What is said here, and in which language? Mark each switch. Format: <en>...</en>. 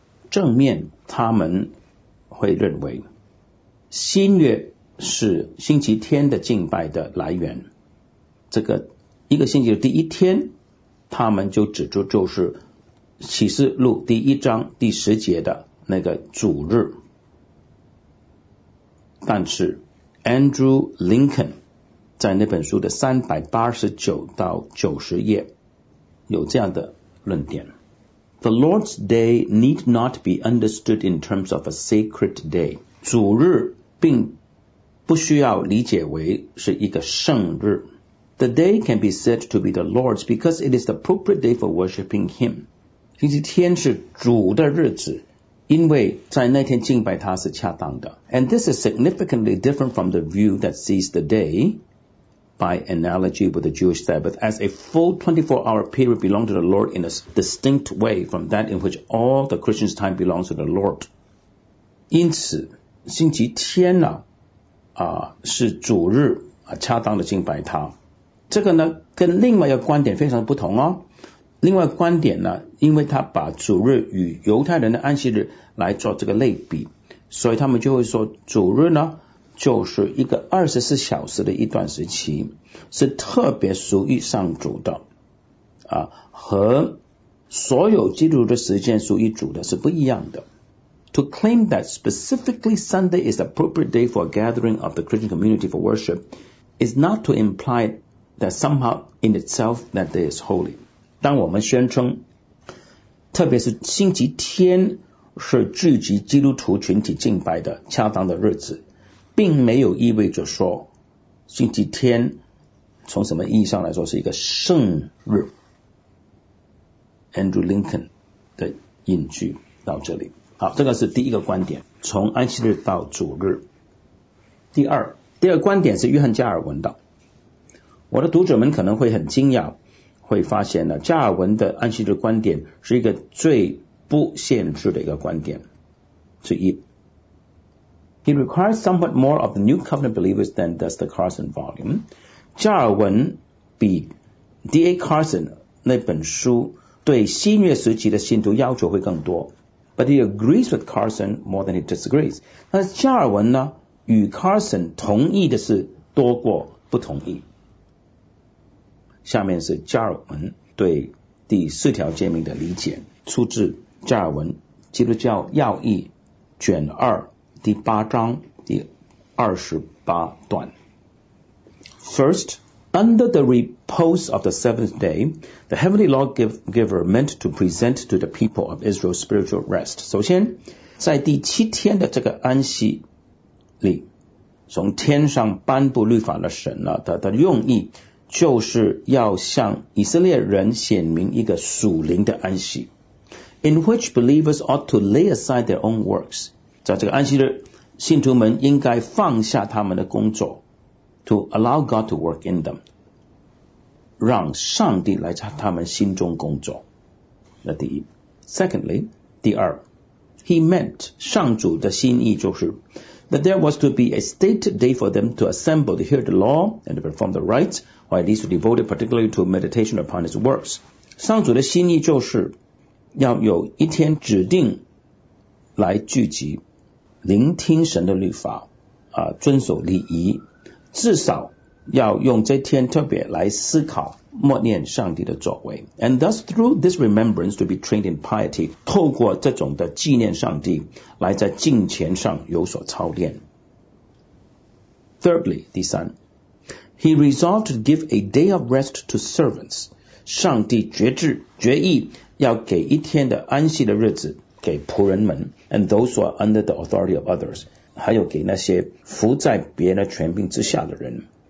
<zh>正面他们会认为新约是星期天的敬拜的来源，这个一个星期的第一天他们就指出就是启示录第一章第十节的那个主日。但是 Andrew Lincoln 在那本书的389-90页有这样的论点。</zh> <en>The Lord's Day need not be understood in terms of a sacred day.</en> <zh>主日并不需要理解为是一个圣日。</zh> <en>The day can be said to be the Lord's because it is the appropriate day for worshipping Him.</en> <zh>星期天是主的日子，因为在那天敬拜他是恰当的。</zh> <en>And this is significantly different from the view that sees the day, by analogy with the Jewish Sabbath, as a full 24-hour period belong to the Lord in a distinct way from that in which all the Christian's time belongs to the Lord.</en> <zh>因此，星期天呢，是主日，恰当的敬拜他。这个呢跟另外一个观点非常不同哦。另外一个观点呢，因为他把主日与犹太人的安息日来做这个类比，所以他们就会说主日呢就是一个24小时的一段时期，是特别属于上主的和所有基督徒的时间属于主的是不一样的。</zh> <en>To claim that specifically Sunday is the appropriate day for a gathering of the Christian community for worship is not to implyThat somehow in itself that day is holy.</en> <zh>当我们宣称特别是星期天是聚集基督徒群体敬拜的恰当的日子，并没有意味着说星期天从什么意义上来说是一个圣日。 Andrew Lincoln 的引据到这里。好，这个是第一个观点，从安息日到主日。第二观点是约翰加尔文的。我的读者们可能会很惊讶，会发现呢，加尔文的安息日观点是一个最不限制的一个观点之一。</zh> <en>It requires somewhat more of the New Covenant believers than does the Carson volume.</en> <zh>加尔文比 D.A. Carson 那本书对新约时期的信徒要求会更多。</zh> <en>But he agrees with Carson more than he disagrees.</en> <zh>那加尔文呢，与 Carson 同意的是多过不同意。下面是加尔文对第四条诫命的理解，出自加尔文《基督教要义》卷二第八章第28段。</zh> <en>First, under the repose of the seventh day, the heavenly lawgiver meant to present to the people of Israel spiritual rest.</en> <zh>首先，在第七天的这个安息里，从天上颁布律法的神呢，他的用意。就是要向以色列人显明一个属灵的安息</zh> <en>in which believers ought to lay aside their own works.</en> <zh>在这个安息日信徒们应该放下他们的工作</zh> <en>to allow God to work in them，</en> <zh>让上帝来在他们心中工作。那第一</zh> <en>，secondly，</en> <zh>第二</zh> <en>，He meant</en> <zh>上主的心意就是</zh> <en>that there was to be a state day for them to assemble to hear the law and to perform the rites, or at least to devote it particularly to meditation upon His works。</en> <zh>上主的心意就是要有一天指定来聚集。聆听神的律法、遵守礼仪，至少要用这天特别来思考默念上帝的作为。</zh> <en>And thus through this remembrance to be trained in piety，</en> <zh>透过这种的纪念上帝来在敬虔上有所操练。</zh> <en>Thirdly，</en> <zh>第三，</zh> <en>He resolved to give a day of rest to servants，</en> <zh>上帝决意要给一天的安息的日子给仆人们，</zh> <en>and those who are under the authority of others，</en> <zh>还有给那些服在别人的权柄之下的人，</zh>